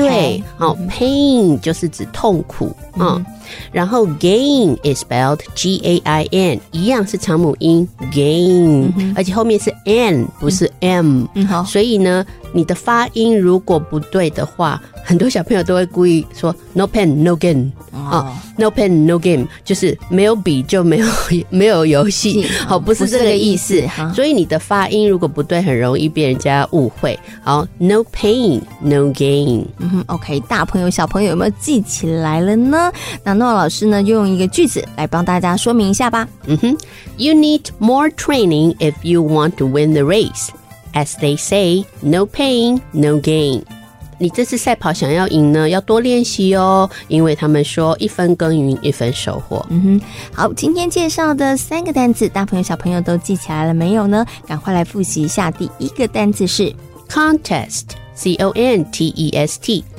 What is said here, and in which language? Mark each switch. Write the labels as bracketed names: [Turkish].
[Chinese] 对、Pain 就是指痛苦。然后 [English] gain is spelled G-A-I-N， [Chinese] 一样是长母音 gain、而且后面是 N 不是 M、所以呢你的发音如果不对的话，很多小朋友都会故意说 [English] No pain no gain、No pain no game， [Chinese] 就是没有笔就没有游戏、不是这个意思、所以你的发音如果不对很容易被人家误会。 [English] 好， No pain no gain、 [Chinese] OK， 大朋友小朋友有没有记起来了呢？那诺老师呢用一个句子来帮大家说明一下吧。 [English] You need more training if you want to win the race. As they say, no pain, no gain。 [Chinese] 你这次赛跑想要赢呢要多练习哦，因为他们说一分耕耘一分收获。好，今天介绍的三个单字大朋友小朋友都记起来了没有呢？赶快来复习一下。第一个单字是 [English] contest C-O-N-T-E-S-T